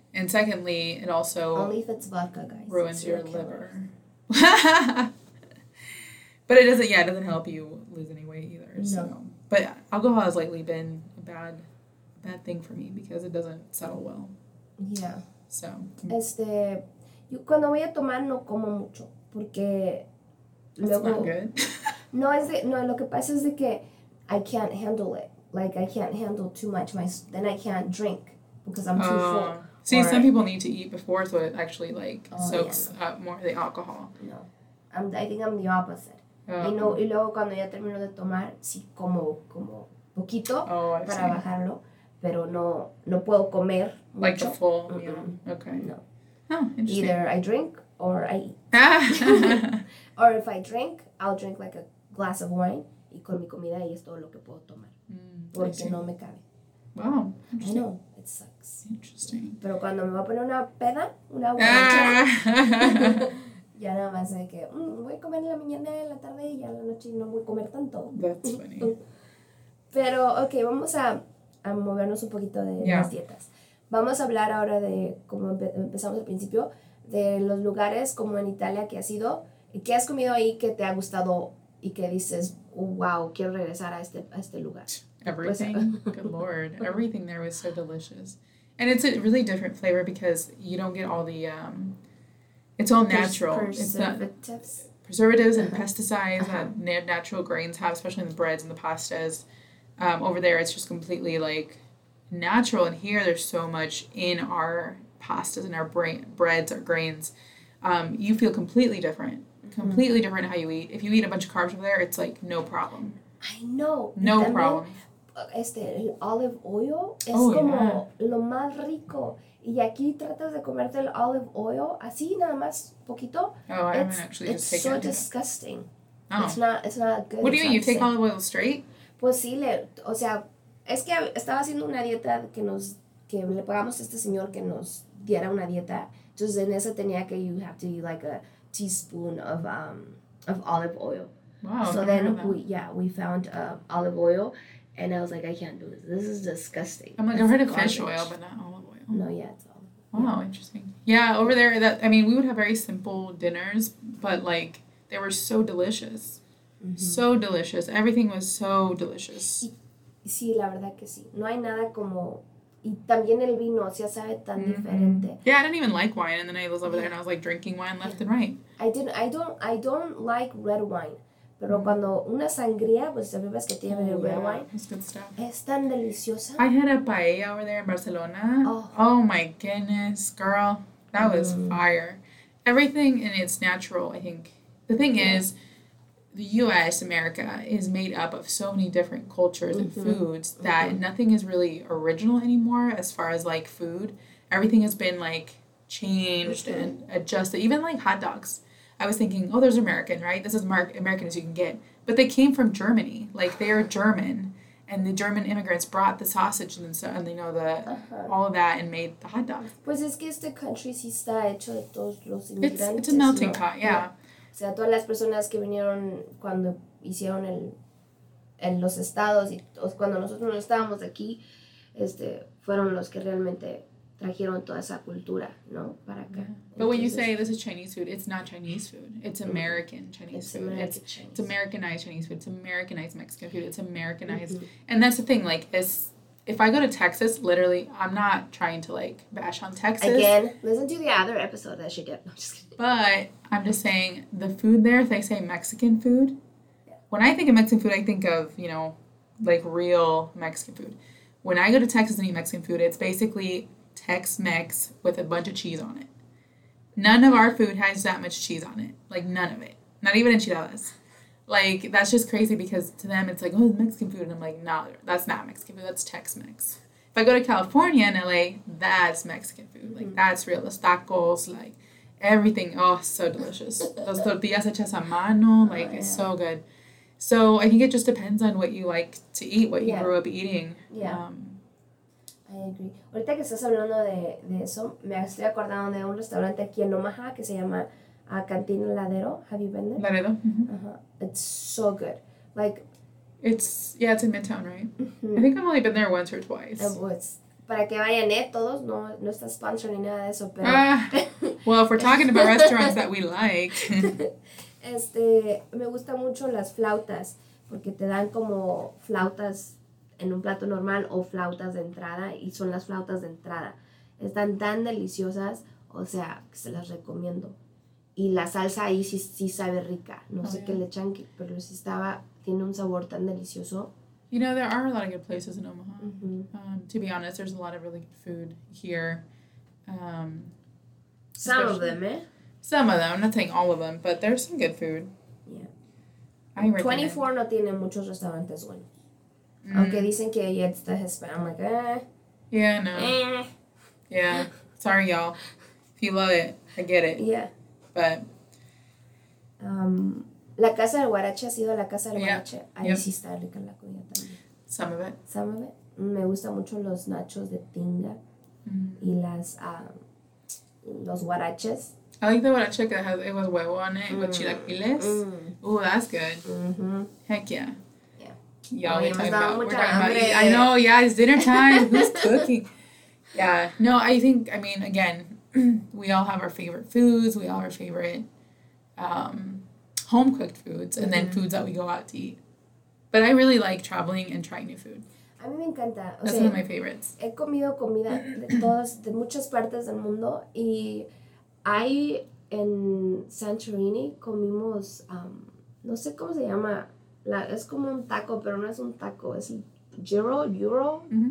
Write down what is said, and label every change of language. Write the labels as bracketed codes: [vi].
[en] And secondly, it also... Only if it's vodka, guys. Ruins it's your killer. Liver. But it doesn't... Yeah, it doesn't help you lose any weight either. No. So. But alcohol has lately been a bad thing for me because it doesn't settle well. Yeah. So. [es] Yo cuando voy a tomar, no como mucho. Porque... [en] That's [es] luego, [en] not good. [es] No, es de, no, lo que pasa es de que [en] I can't handle it. Like, I can't handle too much. Then I can't drink because I'm too full. See, some people need to eat before, so it actually, like, soaks up more the alcohol. No. I think I'm the opposite. [es] Y no, y luego cuando ya termino de tomar, sí como poquito para bajarlo. Pero no puedo comer mucho. [en] Like, the full meal. Mm-hmm. Okay. No. Oh, interesting. Either I drink or I eat. Or if I drink, I'll drink, like, a glass of wine. [es] Y con mi comida, y es todo lo que puedo tomar. Porque no me cabe. [en] Wow. I know. It sucks. Interesting. [es] Pero cuando me voy a poner una peda, una borrachera, ya nada más de que voy a comer en la mañana, en la tarde, y a la noche no voy a comer tanto. [en] That's funny. [es] Pero, ok, vamos a movernos un poquito de las dietas. Vamos a hablar ahora de, como empezamos al principio, de los lugares como en Italia que has ido, y qué has comido ahí que te ha gustado y que dices, oh, wow, quiero regresar a este lugar. [en] Everything, good lord, everything there was so delicious. And it's a really different flavor because you don't get all the, it's all natural. Preservatives and pesticides that natural grains have, especially in the breads and the pastas. Over there, it's just completely, like, natural. And here, there's so much in our pastas and our breads, our grains. You feel completely different. Completely different how you eat. If you eat a bunch of carbs over there, it's, like, no problem. I know. No problem. [es] El olive oil es como lo más rico. Y aquí tratas de comerte el olive oil así, nada más, poquito. [en] It's so disgusting. Oh. It's not good. What do you mean? You take olive oil straight? [es] Pues sí, o sea, es que estaba haciendo una dieta que le pagamos a este señor que nos diera una dieta. Entonces, en esa tenía que, [en] you have to eat like a teaspoon of olive oil. Wow. So then, we found olive oil, and I was like, I can't do this. This is disgusting. I'm like, I've heard of fish oil, but not olive oil. No, yeah, it's olive oil. Wow, interesting. Yeah, over there, we would have very simple dinners, but, like, they were so delicious. Mm-hmm. So delicious. Everything was so delicious. [es] Sí, la verdad que sí. No hay nada como... Y también el vino, o sea, sabe tan mm-hmm. diferente. [en] Yeah, I didn't even like wine. And then I was over there and I was like drinking wine left and right. I don't like red wine. Pero mm-hmm. [es] cuando una sangría, pues ya ves que tiene red wine. [en] It's good stuff. [es] Es tan deliciosa. [en] I had a paella over there in Barcelona. Oh, oh my goodness, girl. That was fire. Everything in its natural, I think. The thing is... The U.S., America, is made up of so many different cultures mm-hmm. and foods that mm-hmm. nothing is really original anymore as far as, like, food. Everything has been, like, changed and adjusted. Even, like, hot dogs. I was thinking, oh, there's American, right? This is American as you can get. But they came from Germany. Like, they are German. And the German immigrants brought the sausage and so, and, you know, the uh-huh. all of that and made the hot dog. [es] Pues es que este country sí está hecho de todos los inmigrantes. [en] It's a melting pot, yeah. [es] O sea, todas las personas que vinieron cuando hicieron en los estados y cuando nosotros no estábamos aquí, fueron los que realmente trajeron toda esa cultura, ¿no? Para acá. [en] But entonces, when you say this is Chinese food, it's not Chinese food. It's American Chinese it's food. American it's, Chinese. It's Americanized Chinese food. It's Americanized Mexican food. It's Americanized. Mm-hmm. And that's the thing, like, it's... If I go to Texas, literally, I'm not trying to, like, bash on Texas. Again, listen to the other episode that she did. No, I'm just kidding. But I'm just saying, the food there, if they say Mexican food, yeah. When I think of Mexican food, I think of, you know, like, real Mexican food. When I go to Texas and eat Mexican food, it's basically Tex-Mex with a bunch of cheese on it. None of our food has that much cheese on it. Like, none of it. Not even enchiladas. Like, that's just crazy because to them it's like, oh, Mexican food. And I'm like, no, that's not Mexican food. That's Tex-Mex. If I go to California and LA, that's Mexican food. Mm-hmm. Like, that's real. [es] Los tacos, [en] like, everything. Oh, so delicious. Those tortillas [es] hechas a mano. [en] Like, oh, yeah. It's so good. So I think it just depends on what you like to eat, what you grew up eating. Yeah. I agree. [es] Ahorita que estás hablando de eso, me estoy acordando de un restaurante aquí en Omaha que se llama... [en] A Cantina Ladero, have you been there? Ladero. Uh-huh. It's so good. Like, it's in Midtown, right? I think I've only been there once or twice. It was. [es] Para que vayan todos, no está sponsor ni nada de eso, pero. [en] Well, if we're talking about restaurants that we like. [es] me gusta mucho las flautas, porque te dan como flautas en un plato normal o flautas de entrada, y son las flautas de entrada. Están tan deliciosas, o sea, que se las recomiendo. Y la salsa ahí sí sabe rica. No sé qué le echan, pero sí estaba... Tiene un sabor tan delicioso. [en] You know, there are a lot of good places in Omaha. Mm-hmm. To be honest, there's a lot of really good food here. Some of them, eh? Some of them. I'm not saying all of them, but there's some good food. Yeah. I [es] 24 no tiene muchos restaurantes buenos. Mm-hmm. Aunque dicen que ya está Hispanic. [en] I'm like, Yeah, no. Yeah. Sorry, y'all. If you love it, I get it. Yeah. [es] La casa del guarache ha sido la casa del guarache. Ahí sí está rica la comida también. [en] Some of it. [es] Me gustan mucho los nachos de tinga y las los guaraches. [en] I like the guarache que has it was huevo on it with chilaquiles. Ooh, that's good. Mm-hmm. Heck yeah. Yeah. Y'all we're talking about. I know. Yeah, it's dinner time. Who's cooking? Yeah. No, I think. I mean, again. We all have our favorite foods. We all have our favorite home-cooked foods. And then foods that we go out to eat. But I really like traveling and trying new food. [es] A mí me encanta. O [en] That's [es] sea, [en] one of my favorites. [es] He comido comida de muchas partes del mundo. Y ahí en Santorini comimos, no sé cómo se llama. Es como un taco, pero no es un taco. Es gyro, gyro? Mm-hmm.